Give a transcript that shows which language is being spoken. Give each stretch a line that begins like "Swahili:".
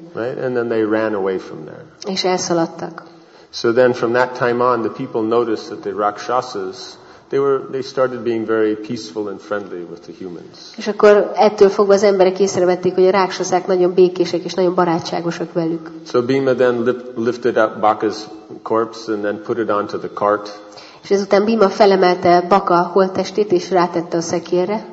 English: Right? And then they ran away from there.
Hungarian: És elszaladtak.
English: So then from that time on, the people noticed that the rakshasas, they started being very peaceful and friendly with the humans.
Hungarian: És akkor ettől fogva az emberek észrevették, hogy a rákszaszák nagyon békések és nagyon barátságosak velük.
English: So Bhima then lifted up Baka's corpse and then put it onto the cart.
Hungarian: És ezután Bhima felemelte Baka holttestét és rátette a szekérre.